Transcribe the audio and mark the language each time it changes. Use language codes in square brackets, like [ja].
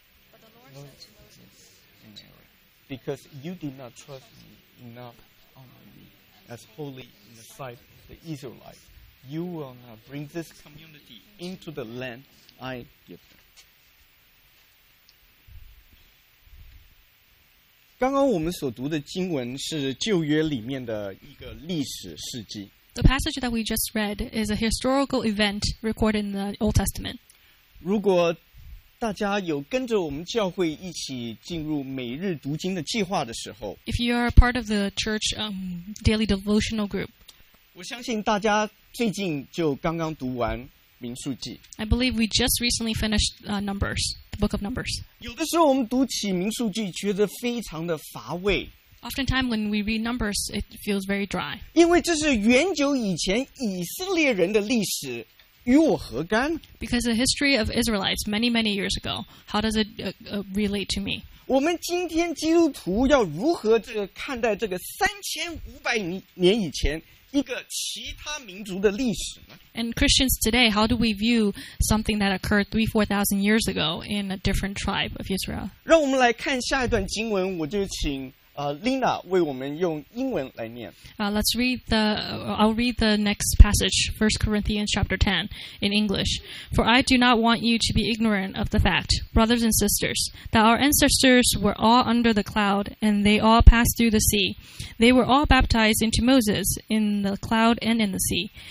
[en] But the Lord said to Moses, "Because you did not trust me enough as holy in the sight of the Israelites, you will not bring this community into the land I give them." [zh] 刚刚我们所读的经文是旧约里面的一个历史事迹。 [en] The passage that we just read is a historical event recorded in the Old Testament. [zh] 如果大家有跟着我们教会一起进入每日读经的计划的时候 [en] If you are part of the church, daily devotional group, [zh] 我相信大家最近就刚刚读完民数记。 [en] I believe we just recently finished, Numbers, the book of Numbers. [zh] 有的时候我们读起民数记觉得非常的乏味。 [en] Oftentimes, when we read Numbers, it feels very dry. [zh] 因为这是远久以前以色列人的历史，与我何干？ [en] Because the history of Israelites many, many years ago, how does it relate to me? [zh] 我们今天基督徒要如何这个看待这个3500年以前一个其他民族的历史呢？ [en] And Christians today, how do we view something that occurred 3,000-4,000 years ago in a different tribe of Israel? [zh] 让我们来看下一段经文，我就请Lina 为我们用英文来念。 [en] I'll read the next passage, 1 Corinthians chapter 10, in English. For I do not want you to be ignorant of the fact, brothers and sisters, that our ancestors were all under the cloud, and they all passed through the sea. They were all baptized into Moses in the cloud and in the sea.